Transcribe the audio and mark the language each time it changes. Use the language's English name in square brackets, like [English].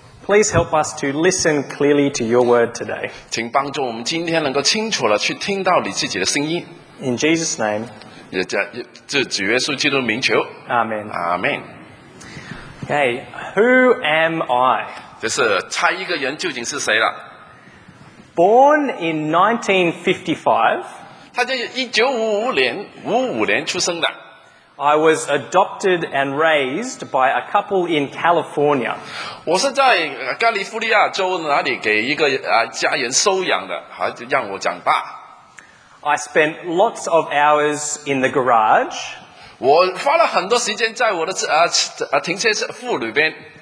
[English] please help us to listen clearly to your word today. [Chinese] 请帮助我们今天能够清楚地去听到你自己的声音。 [English] In Jesus' name. [Chinese] 也在主耶稣基督的名求。 [English] Amen. Amen. Okay, who am I? [Chinese] 就是猜一个人究竟是谁了。 [English] Born in 1955, [Chinese] 出生的。 [English] I was adopted and raised by a couple in California. [Chinese] 我是在加利福尼亚州哪里给一个家人收养的，让我长大。 [English] I spent lots of hours in the garage. [Chinese] 我花了很多时间在我的停车库里边。